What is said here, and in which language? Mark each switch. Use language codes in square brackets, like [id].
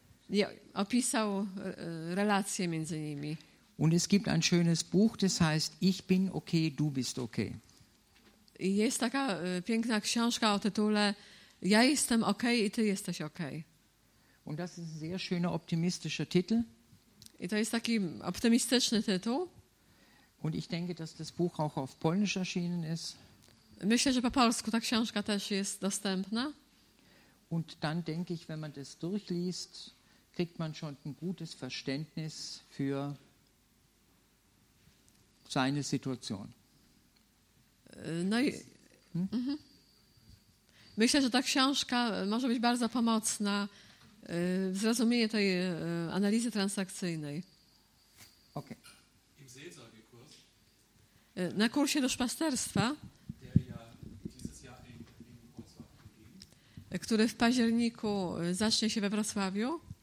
[pl] I opisał relacje między nimi. [de] Und es gibt ein schönes Buch, das heißt Ich bin okay, du bist okay. [pl] I jest taka piękna książka o tytule Ja jestem okay i ty jesteś okay. [de] Und das ist ein sehr schöner optimistischer Titel. [pl] I to jest taki optymistyczny tytuł. [de] Und ich denke, dass das Buch auch auf Polnisch erschienen ist. [pl] Myślę, że po polsku ta książka też jest dostępna. [de] Und dann denke ich, wenn man das durchliest, kriegt man schon ein gutes Verständnis für seine Situation. [pl] No i, Myślę, że ta książka może być bardzo pomocna w zrozumieniu tej analizy transakcyjnej. Okay. [de] Im Seelsorgekurs. [pl] Na kursie duszpasterstwa, który w październiku zacznie się we Wrocławiu.